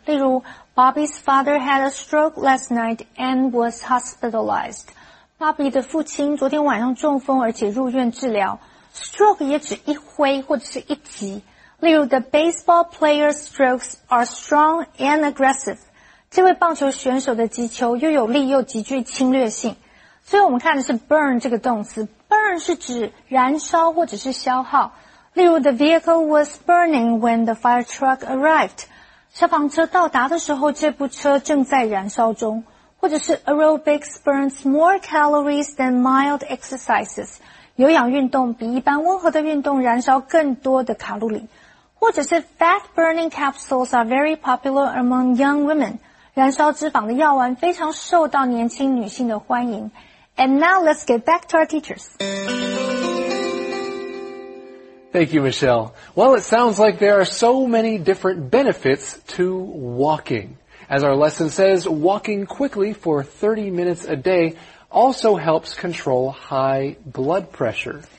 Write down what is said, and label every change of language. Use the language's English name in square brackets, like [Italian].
[Chinese] 例如 [English] Bobby's father had a stroke last night and was hospitalized. [Chinese] Bobby 的父亲昨天晚上中风而且入院治疗。 Stroke 也指一挥或者是一击。例如 [English] the baseball player's strokes are strong and aggressive. [Chinese] 这位棒球选手的击球又有力又极具侵略性。所以我们看的是 burn 这个动词。burn 是指燃烧或者是消耗。例如 [English] the vehicle was burning when the fire truck arrived. [Chinese] 消防车到达的时候这部车正在燃烧中。或者是 [English] aerobics burns more calories than mild exercises. [Chinese] 有氧运动比一般温和的运动燃烧更多的卡路里。或者是 [English] fat burning capsules are very popular among young women. [Chinese] 燃烧脂肪的药丸非常受到年轻女性的欢迎。 [English] And now let's get back to our teachers. Thank you, Michelle. Well, it sounds like there are so many different benefits to walking. As our lesson says, walking quickly for 30 minutes a day also helps control high blood pressure.